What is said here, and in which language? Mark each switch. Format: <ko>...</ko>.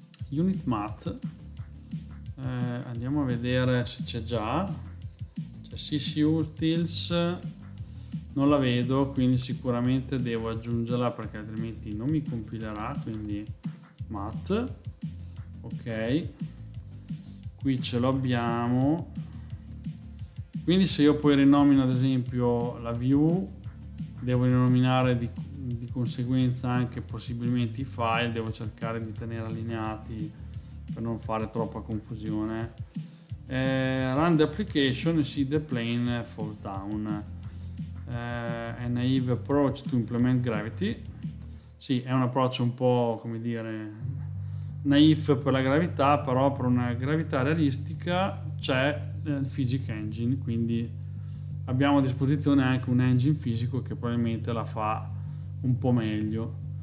<it>unit mat, andiamo a vedere se c'è già, c'è CC Utils, non la vedo, quindi sicuramente devo aggiungerla perché altrimenti non mi compilerà, quindi mat, ok, qui ce l'abbiamo. Quindi se io poi rinomino ad esempio la view, devo rinominare di conseguenza anche possibilmente i file devo cercare di tenere allineati per non fare troppa confusione.</it> <en>Run the application and see the plane fall down. A naive approach to implement gravity.</en> <it>Sì, è un approccio un po', come dire, naif per la gravità, però per una gravità realistica c'è il physics engine, quindi abbiamo a disposizione anche un engine fisico che probabilmente la fa un po' meglio.</it>